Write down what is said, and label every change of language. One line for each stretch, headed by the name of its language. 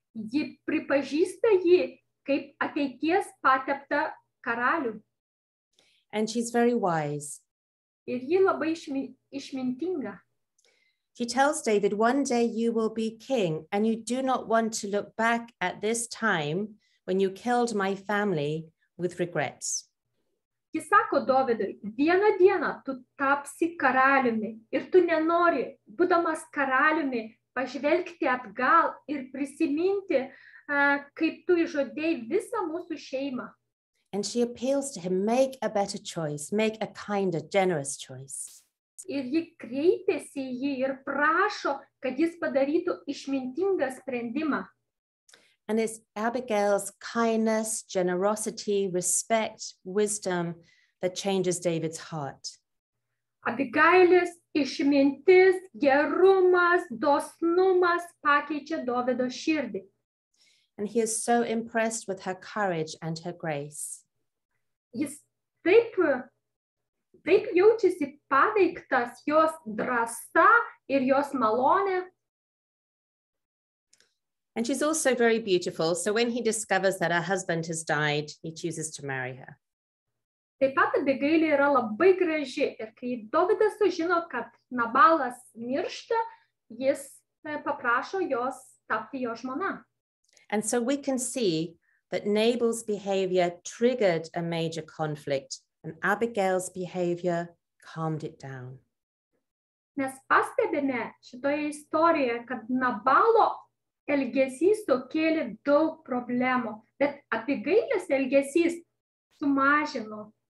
Lithuanian: Ji pripažįsta jį kaip ateities pateptą karalių.
English: And she's very wise.
Lithuanian: Ir ji labai išmintinga.
English: She tells David, one day you will be king and you do not want to look back at this time when you killed my family with regrets.
Lithuanian: Ji sako Dovidui, vieną dieną tu tapsi karaliumi ir tu nenori, būdamas karaliumi, pažvelgti atgal ir prisiminti, kaip tu išžudei visą mūsų šeimą.
English: And she appeals to him, make a better choice, make a kinder, generous choice.
Lithuanian: Ir ji kreipėsi jį ir prašo, kad jis padarytų išmintingą sprendimą.
English: And it's Abigail's kindness, generosity, respect, wisdom that changes David's heart.
Lithuanian: Abigailės išmintis, gerumas, dosnumas pakeičia Dovido širdį.
English: And he is so impressed with her courage and her grace.
Lithuanian: Jis taip jaučiasi paveiktas jos drąsa ir jos malonė.
English: And she's also very beautiful, so when he discovers that her husband has died, he chooses to marry her.
Lithuanian: Taip pat Abigailė yra labai graži ir kai Dovidas sužino, kad Nabalas miršta, jis paprašo jos tapti jo žmona.
English: And so we can see that Nabal's behavior triggered a major conflict and Abigail's behavior calmed it down.
Lithuanian: Mes pastebime šitoje istorijoje, kad Nabalo elgesys sukėlė daug problemų, bet Abigailės elgesys sumažino.